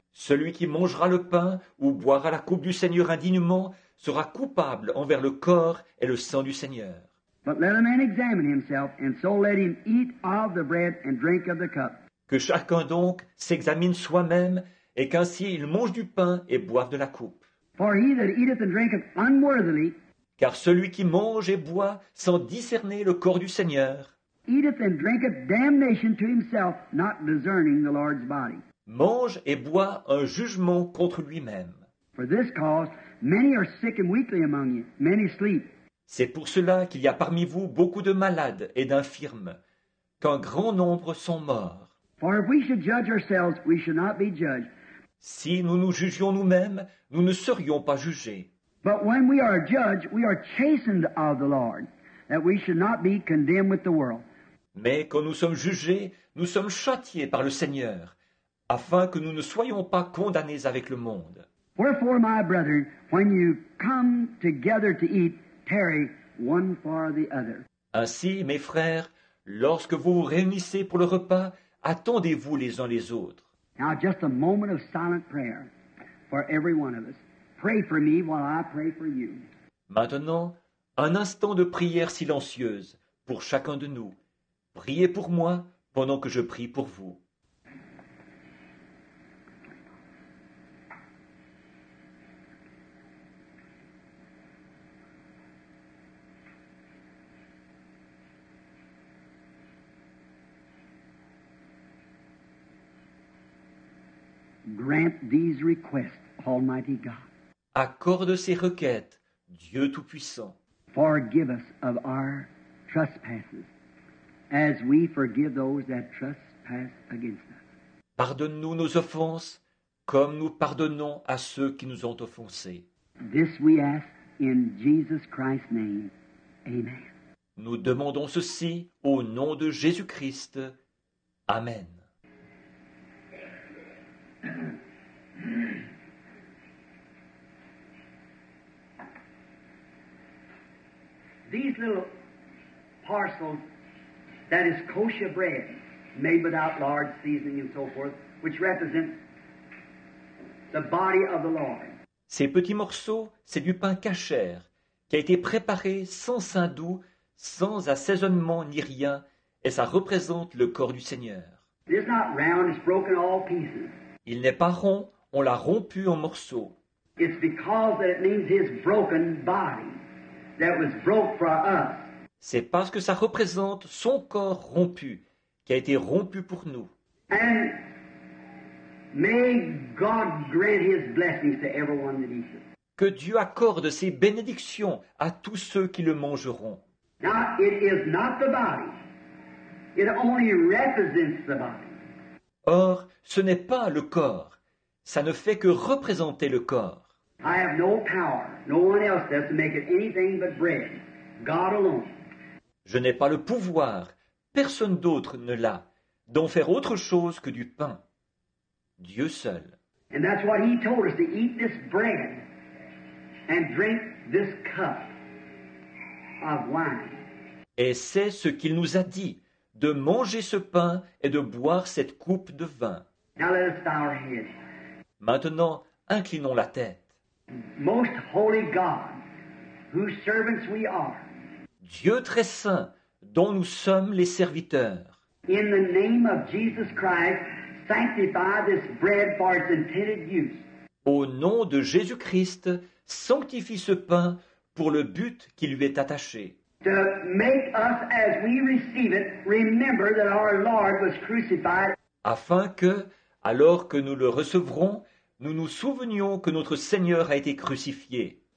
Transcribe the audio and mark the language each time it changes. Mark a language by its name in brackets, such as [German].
[French] Celui qui mangera le pain ou boira la coupe du Seigneur indignement sera coupable envers le corps et le sang du Seigneur. [English] But let a man examine himself, and so let him eat of the bread and drink of the cup. [French] Que chacun donc s'examine soi-même et qu'ainsi il mange du pain et boive de la coupe. [English] For he that eateth and drinketh unworthily, [French] car celui qui mange et boit sans discerner le corps du Seigneur [English] eateth and drinketh damnation to himself, not discerning the Lord's body. [French] Mange et boit un jugement contre lui-même. [English] For this cause, many are sick and weakly among you, many sleep. [French] C'est pour cela qu'il y a parmi vous beaucoup de malades et d'infirmes, qu'un grand nombre sont morts. [English] For if we should judge ourselves, we should not be judged. [French] Si nous nous jugions nous-mêmes, nous ne serions pas jugés. [English] But when we are judged, we are chastened of the Lord, that we should not be condemned with the world. [French] Mais quand nous sommes jugés, nous sommes châtiés par le Seigneur, afin que nous ne soyons pas condamnés avec le monde. [English] Wherefore, my brethren, when you come together to eat, tarry one for the other. [French] Ainsi, mes frères, lorsque vous vous réunissez pour le repas, attendez-vous les uns les autres. [English] Now, just a moment of silent prayer for every one of us. Pray for me while I pray for you. [French] Maintenant, un instant de prière silencieuse pour chacun de nous. Priez pour moi pendant que je prie pour vous. [English] Grant these requests, Almighty God. [French] Accorde ces requêtes, Dieu Tout-Puissant. [English] Forgive us of our trespasses, as we forgive those that trespass against us. [French] Pardonne-nous nos offenses, comme nous pardonnons à ceux qui nous ont offensés. [English] This we ask in Jesus Christ's name. Amen. [French] Nous demandons ceci au nom de Jésus-Christ. Amen. [English] These little parcels, that is kosher bread, made without lard, seasoning, and so forth, which represents the body of the Lord. [French] Ces petits morceaux, c'est du pain cachère, qui a été préparé sans sein doux, sans assaisonnement ni rien, et ça représente le corps du Seigneur. [English] It is not round, it's broken all pieces. [French] Il n'est pas rond, on l'a rompu en morceaux. [English] It's because that it means his broken body that was broke for us. [French] C'est parce que ça représente son corps rompu, qui a été rompu pour nous. [English] And may God grant his blessings to everyone that eats it. [French] Que Dieu accorde ses bénédictions à tous ceux qui le mangeront. [English] Now, it is not the body. It only represents the body. [French] Or, ce n'est pas le corps. Ça ne fait que représenter le corps. [English] I have no power, no one else does, to make it anything but bread. God alone. [French] Je n'ai pas le pouvoir, personne d'autre ne l'a, d'en faire autre chose que du pain. Dieu seul. [English] And that's what he told us, to eat this bread and drink this cup of wine. [French] Et c'est ce qu'il nous a dit, de manger ce pain et de boire cette coupe de vin. [English] Now let us bow our heads. [French] Maintenant, inclinons la tête. [English] Most holy God, whose servants we are. [French] Dieu très saint, dont nous sommes les serviteurs. [English] In the name of Jesus Christ, sanctify this bread for its intended use. [French] Au nom de Jésus-Christ, sanctifie ce pain pour le but qui lui est attaché. [English] To make us, as we receive it, remember that our Lord was crucified. [French] Afin que, alors que nous le recevrons, nous nous souvenions que notre Seigneur a été crucifié.